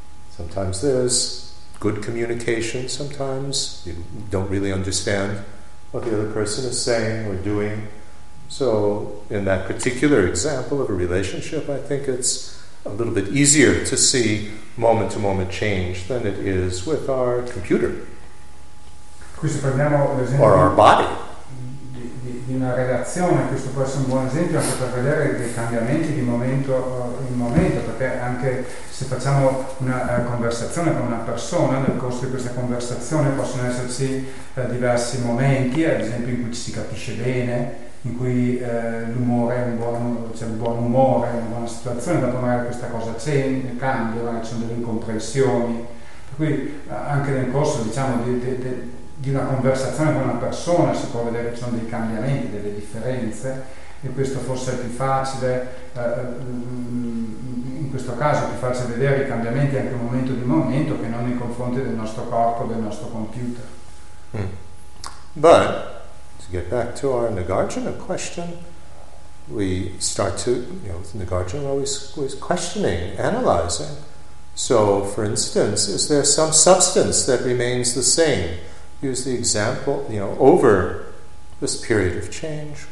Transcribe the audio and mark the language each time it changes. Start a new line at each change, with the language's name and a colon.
English: Sometimes there's good communication, sometimes you don't really understand what the other person is saying or doing. So in that particular example of a relationship, I think it's a little bit easier to see moment-to-moment change than it is with our computer.
Italian: Questo prendiamo l'esempio
English: or our body.
Italian: Di una relazione, questo può essere un buon esempio anche per vedere dei cambiamenti di momento in momento, perché anche se facciamo una conversazione con una persona, nel corso di questa conversazione possono esserci diversi momenti, ad esempio in cui ci si capisce bene, in cui l'umore è un buon, cioè un buon umore, una buona situazione, dopo magari questa cosa cambia, magari ci sono delle incomprensioni. Per cui anche nel corso, diciamo, di una conversazione con una persona si può vedere che ci sono dei cambiamenti, delle differenze, e questo forse è più facile, in questo caso è più facile vedere i cambiamenti anche momento di momento che non nei confronti del nostro corpo, del nostro computer.
English: But to get back to our Nagarjuna question, we start to, Nagarjuna always questioning, analyzing. So, for instance, is there some substance that remains the same? Use the example, over this period of change.